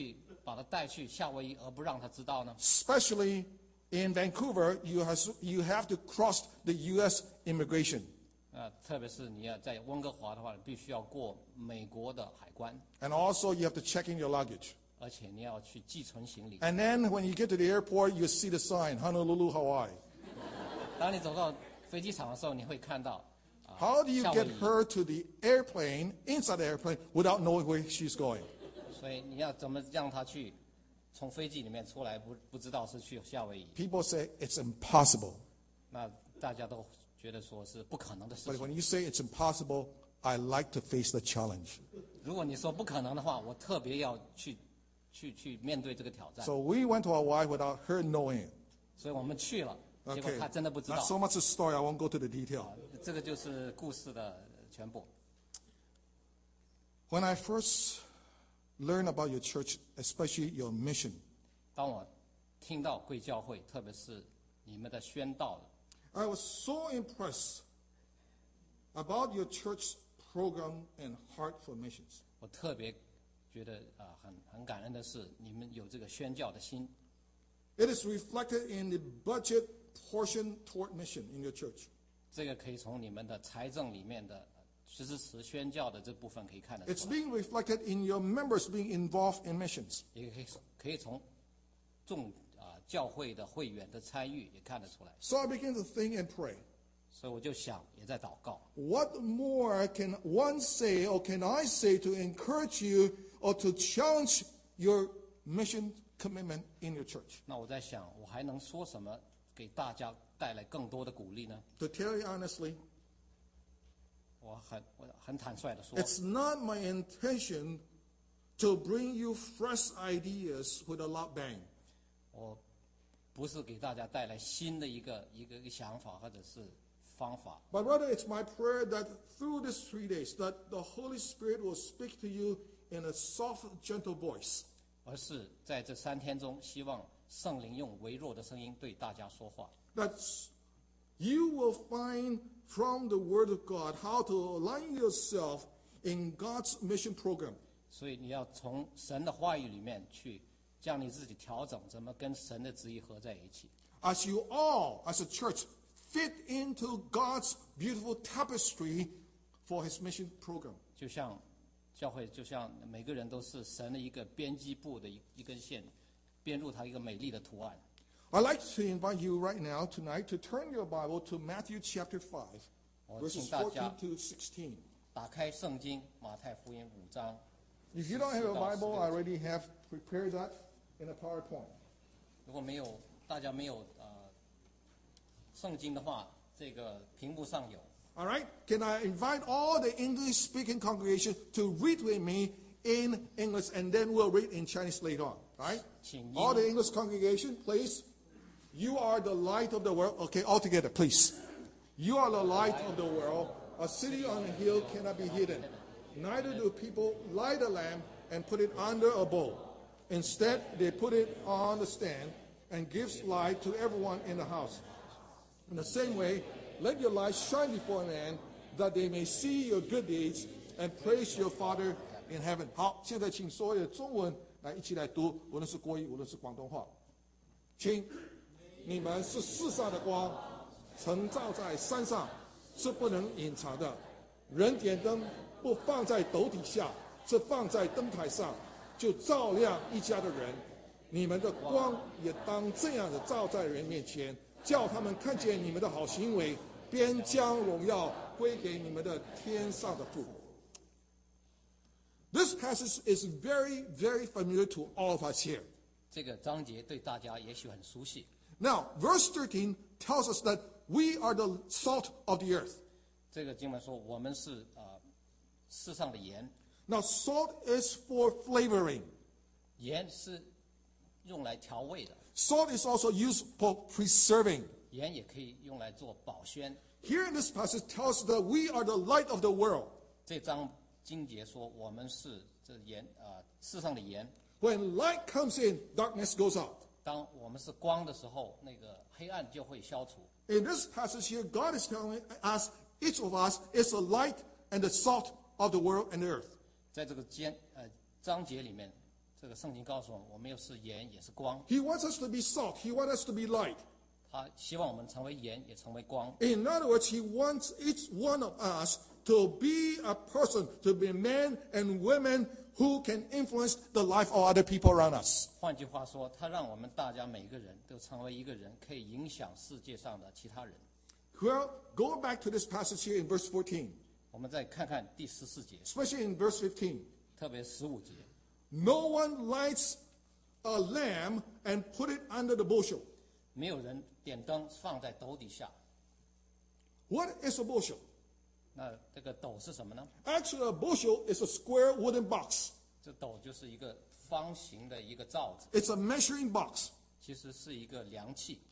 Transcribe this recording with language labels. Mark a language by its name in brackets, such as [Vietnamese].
[Chinese] 那大家想想，怎么去把她带去夏威夷而不让她知道呢？ [English] Especially in Vancouver, you have to cross the U.S. immigration. [Chinese] 特别是你要在温哥华的话，必须要过美国的海关。 [English] And also, you have to check in your luggage. [Chinese] 而且你要去寄存行李。 [English] And then, when you get to the airport, you see the sign, Honolulu, Hawaii. [Chinese] 当你走到飞机场的时候，你会看到。 [English] How do you get her to the airplane, inside the airplane, without knowing where she's going? [Chinese] 所以你要怎么让她去？从飞机里面出来，不知道是去夏威夷。 [English] People say it's impossible. [Chinese] 那大家都觉得说是不可能的事情。 [English] But when you say it's impossible, I like to face the challenge. [Chinese] 如果你说不可能的话，我特别要去面对这个挑战。 [English] So we went to Hawaii without her knowing. [Chinese] 所以我们去了。 [English] Okay, [Chinese] 结果他真的不知道。 [English] Not so much a story, I won't go to the detail. [Chinese] 这个就是故事的全部。 [English] When I first learned about your church, especially your mission, [Chinese] 当我听到贵教会，特别是你们的宣道， [English] I was so impressed about your church's program and heart for missions. [Chinese] 我特别觉得很感恩的是你们有这个宣教的心。 [English] It is reflected in the budget. Portion toward mission in your church. [Chinese] 这个可以从你们的财政里面的实施时宣教的这部分可以看得出来。 [English] It's being reflected in your members being involved in missions. [Chinese] 也可以从众教会的会员的参与也看得出来。 [English] So I begin to think and pray. [Chinese] 所以我就想也在祷告。 [English] What more can one say or can I say to encourage you or to challenge your mission commitment in your church? [Chinese] 那我在想我还能说什么给大家带来更多的鼓励呢 [English] ？To tell you honestly, [Chinese] 我很坦率的说 [English] ，It's not my intention to bring you fresh ideas with a loud bang. [Chinese] 我不是给大家带来新的一个想法或者是方法。 [English] But rather, it's my prayer that through these 3 days, that the Holy Spirit will speak to you in a soft, gentle voice. [Chinese] 而是在这三天中，希望。圣灵用微弱的声音对大家说话。 [English] That you will find from the Word of God how to align yourself in God's mission program. [Chinese] 所以你要从神的话语里面去将你自己调整，怎么跟神的旨意合在一起。 [English] As you all, as a church, fit into God's beautiful tapestry for His mission program. [Chinese] 就像教会，就像每个人都是神的一个编辑部的一根线。编入他一个美丽的图案。 [English] I'd like to invite you right now tonight to turn your Bible to Matthew chapter 5, verses 14 to 16. [Chinese] 打开圣经，马太福音五章。 [English] If you don't have a Bible, I already have prepared that in a PowerPoint. [Chinese] 如果没有大家没有圣经的话，这个屏幕上有。 [English] All right, can I invite all the English-speaking congregation to read with me in English, and then we'll read in Chinese later on. Right? All the English congregation, please. You are the light of the world. Okay, all together, please. You are the light of the world. A city on a hill cannot be hidden. Neither do people light a lamp and put it under a bowl. Instead, they put it on the stand and gives light to everyone in the house. In the same way, let your light shine before men that they may see your good deeds and praise your Father in heaven. [Chinese] 好，现在请所有中文来一起来读，无论是国语，无论是广东话，请你们是世上的光，曾照在山上，是不能隐藏的。人点灯不放在斗底下，是放在灯台上，就照亮一家的人。你们的光也当这样的照在人面前，叫他们看见你们的好行为，便将荣耀归给你们的天上的父。 [English] This passage is very, very familiar to all of us here. [Chinese] 这个章节对大家也许很熟悉。 [English] Now, verse 13 tells us that we are the salt of the earth. [Chinese] 这个经文说我们是世上的盐。 [English] Now, salt is for flavoring. [Chinese] 盐是用来调味的。 [English] Salt is also used for preserving. [Chinese] 盐也可以用来做保鲜。 [English] Here in this passage tells us that we are the light of the world. [Chinese] 这章经节说我们是这盐世上的盐。 [English] When light comes in, darkness goes out. [Chinese] 当我们是光的时候，那个黑暗就会消除。 [English] In this passage here, God is telling us each of us is the light and the salt of the world and the earth. [Chinese] 在这个章节里面，这个圣经告诉我们，我们又是盐，也是光。 [English] He wants us to be salt. He wants us to be light. [Chinese] 他希望我们成为盐，也成为光。 [English] In other words, He wants each one of us. To be a person, to be men and women who can influence the life of other people around us. [Chinese] 换句话说，他让我们大家每个人都成为一个人，可以影响世界上的其他人。 [English] Well, go back to this passage here in verse 14. [Chinese] 我们再看看第十四节。 [English] Especially in verse 15. [Chinese] 特别十五节。 [English] No one lights a lamp and put it under the bushel. [Chinese] 没有人点灯放在斗底下。 [English] What is a bushel? [Chinese] 那这个斗是什么呢？ [English] Actually, a bushel is a square wooden box. [Chinese] 这斗就是一个方形的一个罩子。 [English] It's a measuring box. [Chinese] 其实是一个量器。